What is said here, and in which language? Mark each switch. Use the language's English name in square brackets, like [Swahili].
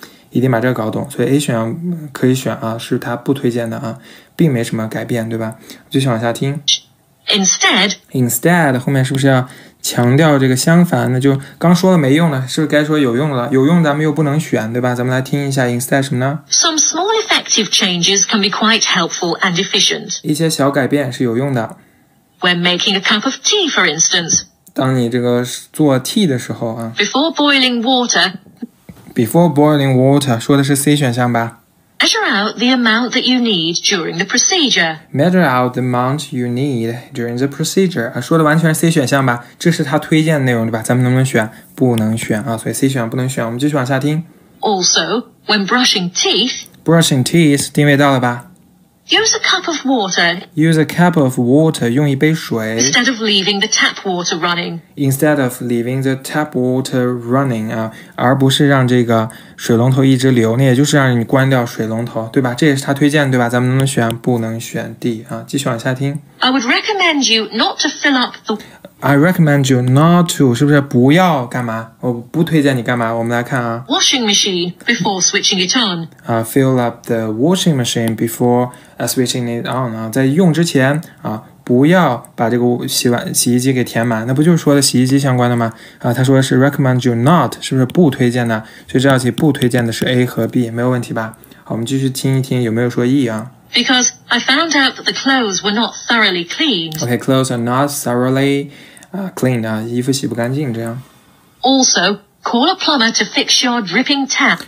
[Chinese] 一定把这个搞懂。所以 A 选项可以选啊，是他不推荐的啊，并没什么改变，对吧？继续往下听。 [English] Instead [Chinese] 后面是不是要强调这个相反，那就刚说了没用了，是不是该说有用了？有用咱们又不能选，对吧？咱们来听一下 instead 什么呢？ [English] Some small effective changes can be quite helpful and efficient. [Chinese] 一些小改变是有用的。 [English] When making a cup of tea, for instance. [Chinese] 当你这个做 tea 的时候啊。 [English] Before boiling water. Before boiling water, [Chinese] 说的是 C 选项吧。 [English] Measure out the amount that you need during the procedure. Measure out the amount you need during the procedure. [Chinese] 啊，说的完全是 C 选项吧？这是他推荐的内容，对吧？咱们能不能选？不能选啊！所以 C 选项不能选。我们继续往下听。 [English] Also, when brushing teeth. Brushing teeth, [Chinese] 定位到了吧？ [English] Use a cup of water. Use a cup of water, [Chinese] 用一杯水。 [English] Instead of leaving the tap water running. Instead of leaving the tap water running, [Chinese] 啊，而不是让这个水龙头一直流，那也就是让你关掉水龙头，对吧？这也是他推荐的，对吧？咱们能不能选？不能选 D 啊！继续往下听。 [English] I would recommend you not to fill up the. I recommend you not to [Chinese] 是不是不要干嘛？我不推荐你干嘛？我们来看啊。 [English] Washing machine before switching it on. [Chinese] 啊 ， [English] fill up the washing machine before switching it on [Chinese] 啊，在用之前啊，不要把这个洗衣机给填满，那不就是说的洗衣机相关的吗？他说是 [English] recommend you not， [Chinese] 是不是不推荐呢？所以这道题不推荐的是 A 和 B， 没有问题吧？好，我们继续听一听有没有说 E 啊。 [English] Because I found out that the clothes were not thoroughly cleaned. [Chinese] Okay, [English] clothes are not thoroughly cleaned. [Chinese] 衣服洗不干净这样。 [English] Also, call a plumber to fix your dripping tap.